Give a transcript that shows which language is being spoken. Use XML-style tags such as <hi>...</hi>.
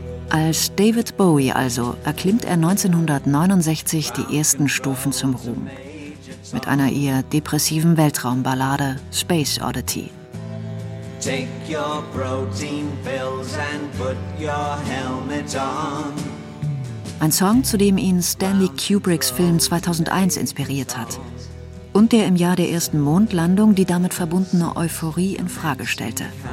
<de>Als David Bowie also erklimmt er 1969 die ersten Stufen zum Ruhm. Mit einer eher depressiven Weltraumballade Space Oddity.</de> <en>Take your protein pills and put your helmet on.</en> <de>Ein Song, zu dem ihn Stanley Kubricks Film 2001 inspiriert hat und der im Jahr der ersten Mondlandung die damit verbundene Euphorie in Frage stellte.</de>